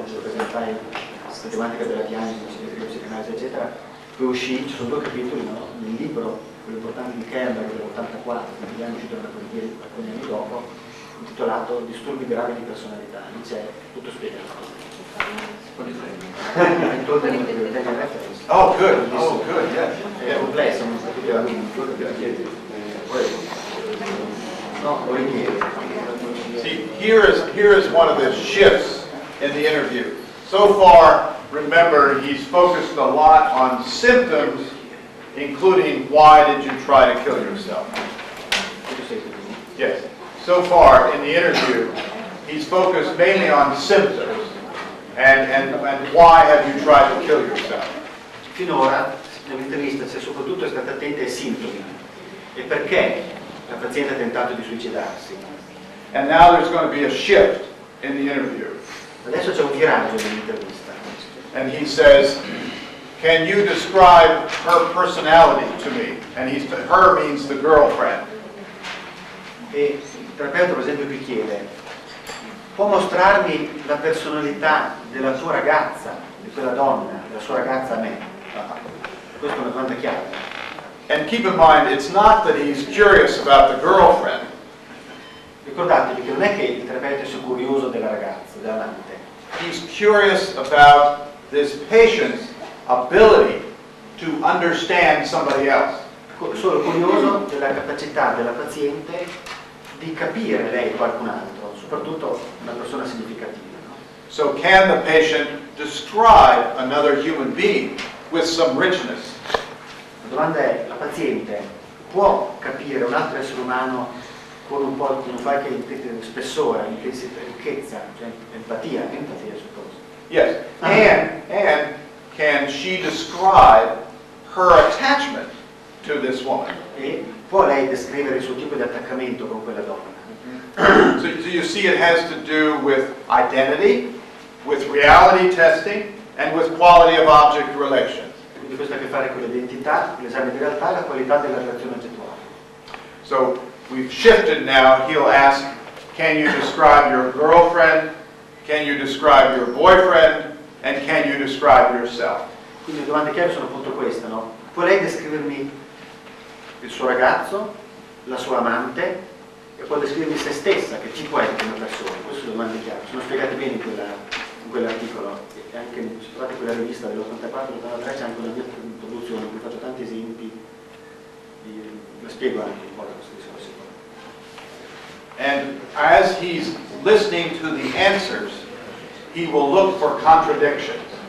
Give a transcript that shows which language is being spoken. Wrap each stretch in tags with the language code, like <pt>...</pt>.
<it>Per presentare la tematica della diagnosi, della psicanalisi, eccetera, poi uscì, ci sono due capitoli, no? Nel libro, quello importante di Kernberg dell'84, che è uscito da alcuni anni dopo, intitolato Disturbi gravi di personalità, lì c'è tutto spiegato.</it> <en>See, here is one of the shifts in the interview. So far, remember, he's focused a lot on symptoms, including why did you try to kill yourself? Yes. So far in the interview, he's focused mainly on symptoms. And why have you tried to kill yourself?</en> <it>Finora, nell'intervista, si è soprattutto stata attenta ai sintomi. E perché la paziente ha tentato di suicidarsi?</it> <en>And now there's going to be a shift in the interview.</en> <it>Adesso c'è un viraggio nell'intervista.</it> <en>And he says, can you describe her personality to me? And he's, her means the girlfriend.</en> <it>E il terapeuta, per esempio, mi chiede, può mostrarmi la personalità della sua ragazza, di quella donna, della sua ragazza a me? Questa è una domanda chiave.</it> <en>And keep in mind, it's not that he's curious about the girlfriend.</en> <it>Ricordatevi che non è che il terapeuta sia curioso della ragazza, dell'amante.</it> <en>He's curious about this patient's ability to understand somebody else.</en> <it>Sono curioso della capacità della paziente di capire lei qualcun altro, soprattutto una persona significativa.</it> <en>So can the patient describe another human being with some richness?</en> <it>La domanda è, la paziente può capire un altro essere umano con un po' di qualche spessore, ricchezza, cioè empatia, suppose.</it> <en>Yes, and can she describe her attachment to this woman?</en> <it>E può lei descrivere il suo tipo di attaccamento con quella donna?</it> <en>So you see it has to do with identity, with reality testing, and with quality of object relations.</en> <it>Quindi questo ha a che fare con l'identità, l'esame di realtà e la qualità della relazione oggettuale.</it> <en>So we've shifted now, he'll ask, can you describe your girlfriend, can you describe your boyfriend, and can you describe yourself?</en> <it>Quindi le domande chiave sono appunto queste, no? Può lei descrivermi il suo ragazzo, la sua amante, e può descrivermi se stessa, che tipo è di una persona? Queste sono domande chiave. Sono spiegate bene in quell'articolo. E anche se trovate quella rivista dell'84-83 c'è anche una mia introduzione, vi faccio tanti esempi. La spiego anche un po' la questo discorso.</it> <en>And as he's listening to the answers, he will look for contradictions.</en>